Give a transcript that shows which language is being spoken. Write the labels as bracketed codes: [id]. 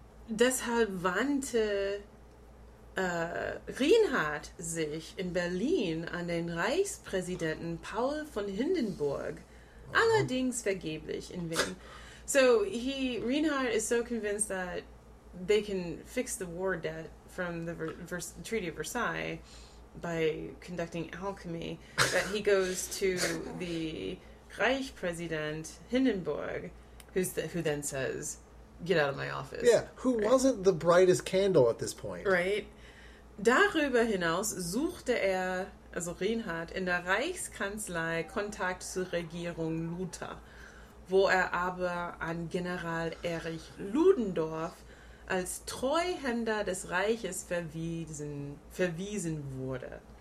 [de] Deshalb wandte Reinhard sich in Berlin an den Reichspräsidenten Paul von Hindenburg, allerdings vergeblich, in Wien. [en] So Reinhard is so convinced that they can fix the war debt from the Treaty of Versailles by conducting alchemy, that he goes to the Reichspräsident Hindenburg, who then says, get out of my office. Yeah, who wasn't the brightest candle at this point. Right. [de] Darüber hinaus suchte Reinhard, in der Reichskanzlei Kontakt zur Regierung Luther, wo aber an General Erich Ludendorff als Treuhänder des Reiches verwiesen wurde.